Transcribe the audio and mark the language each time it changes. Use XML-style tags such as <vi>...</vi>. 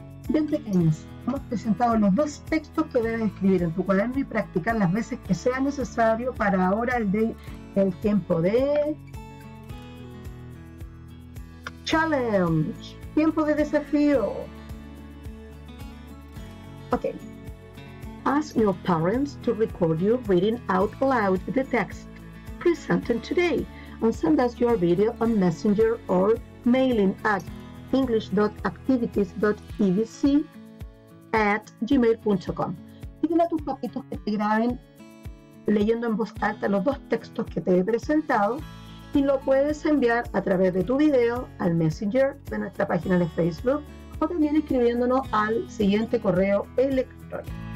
<es>Bien pequeños, hemos presentado los dos textos que debes escribir en tu cuaderno y practicar las veces que sea necesario para ahora el tiempo de challenge, tiempo de desafío.</es> <en>Okay. Ask your parents to record you reading out loud the text presented today and send us your video on Messenger or mailing at english.activities.evc@gmail.com.</en> <es>Pídele a tus papitos que te graben leyendo en voz alta los dos textos que te he presentado y lo puedes enviar a través de tu video al Messenger de nuestra página de Facebook o también escribiéndonos al siguiente correo electrónico.</es>